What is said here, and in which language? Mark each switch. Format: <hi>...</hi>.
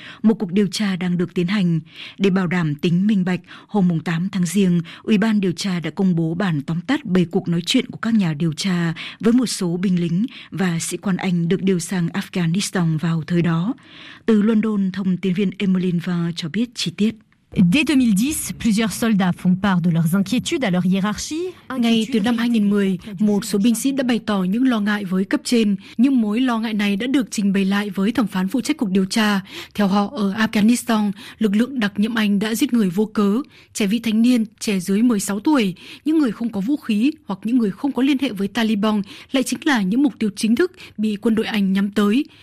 <vi>Một cuộc điều tra đang được tiến hành. Để bảo đảm tính minh bạch, hôm 8 tháng Giêng, Ủy ban điều tra đã công bố bản tóm tắt 7 cuộc nói chuyện của các nhà điều tra với một số binh lính và sĩ quan Anh được điều sang Afghanistan vào thời đó. Từ London, thông tin viên Emeline Vang cho biết chi tiết.</vi> <fr>Dès 2010, plusieurs soldats font part de leurs inquiétudes à leur hiérarchie.</fr> <vi>Ngay từ năm 2010, một số binh sĩ đã bày tỏ những lo ngại với cấp trên, nhưng mối lo ngại này đã được trình bày lại với thẩm phán phụ trách cuộc điều tra. Theo họ, ở Afghanistan, lực lượng đặc nhiệm Anh đã giết người vô cớ, trẻ vị thành niên, trẻ dưới 16 tuổi, những người không có vũ khí hoặc những người không có liên hệ với Taliban lại chính là những mục tiêu chính thức bị quân đội Anh nhắm tới.</vi>